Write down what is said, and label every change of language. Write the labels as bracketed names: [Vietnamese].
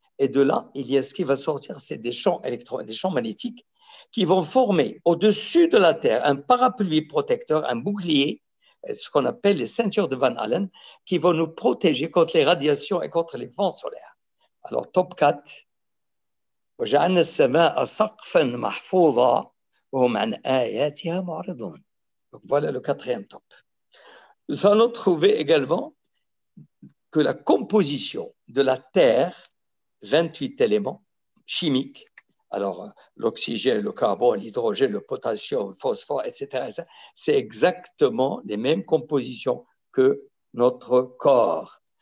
[French] Et de là, il y a ce qui va sortir, c'est des champs électromagnétiques, des champs magnétiques qui vont former au-dessus de la Terre un parapluie protecteur, un bouclier, ce qu'on appelle les ceintures de Van Allen, qui vont nous protéger contre les radiations et contre les vents solaires. Alors, top 4. [Arabic] وجعلنا السماء سقفا محفوظا وهم عن آياتها معرضون. [French] Donc voilà le quatrième top. Nous allons trouver également que la composition de la Terre, 28 éléments chimiques, alors l'oxygène, le carbone, l'hydrogène, le potassium, le phosphore, etc., c'est exactement les mêmes compositions que notre corps.